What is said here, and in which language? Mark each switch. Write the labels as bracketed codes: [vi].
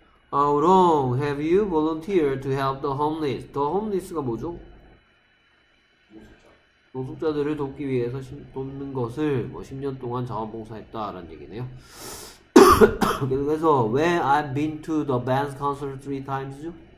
[en] How long have you volunteered to help the homeless? [ko] The homeless가 뭐죠? 노숙자들을 돕기 위해서 돕는 것을 뭐 10년 동안 자원봉사했다라는 얘기네요. 그래서 왜 [en] I've been to the band's concert three times죠?